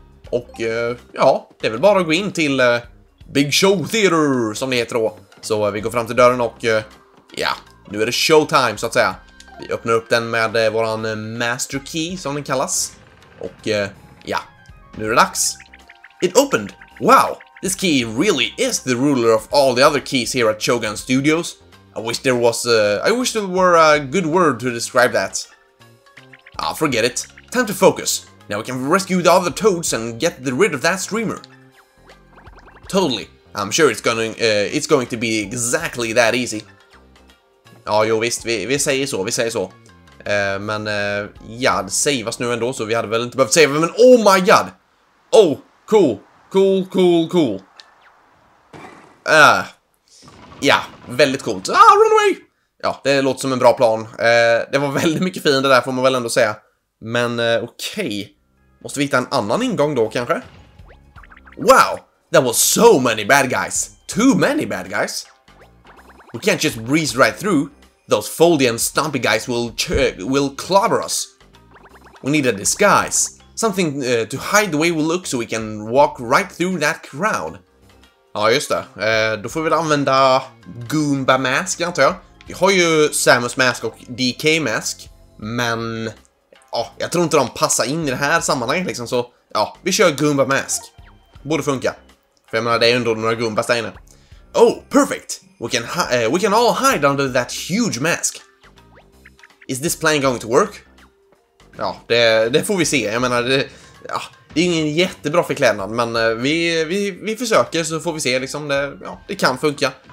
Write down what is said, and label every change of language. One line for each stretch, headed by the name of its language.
Swedish: Och ja, det är väl bara att gå in till Big Show Theater, som det heter då. Så vi går fram till dörren och ja, nu är det showtime, så att säga. Vi öppnar upp den med våran master key, som den kallas. Och ja, nu är det dags.
English: It opened! Wow! This key really is the ruler of all the other keys here at Shogun Studios. I wish there were a good word to describe that. Ah, forget it. Time to focus. Now we can rescue the other toads and get rid of that streamer. Totally. I'm sure it's going to be exactly that easy.
Swedish: Ja, jo visst, vi säger så. Men ja, save oss nu ändå, så vi hade väl inte behövt save, men
English: oh my god. Oh, cool. Cool.
Swedish: Ja, väldigt coolt.
English: Ah, run away!
Swedish: Ja, det låter som en bra plan. Det var väldigt mycket fint det där, får man väl ändå säga. Men okej. Okay. Måste vi hitta en annan ingång då, kanske?
English: Wow! There was so many bad guys! Too many bad guys! We can't just breeze right through. Those foldy and stumpy guys will clobber us. We need a disguise. Something to hide the way we look so we can walk right through that crowd.
Swedish: Ja, just det. Då får vi väl använda Goomba Mask, antar jag. Vi har ju Samus Mask och DK Mask, men ja, jag tror inte de passar in i det här sammanhanget liksom, så ja, vi kör Goomba Mask. Borde funka. För jag menar, det är ju ändå några Goombas där inne.
English: Oh, perfect! We can all hide under that huge mask. Is this plan going to work?
Swedish: Ja, det får vi se. Jag menar, det... Ja. Det är ingen jättebra förklädnad, men vi försöker, så får vi se liksom, det, ja, det kan funka.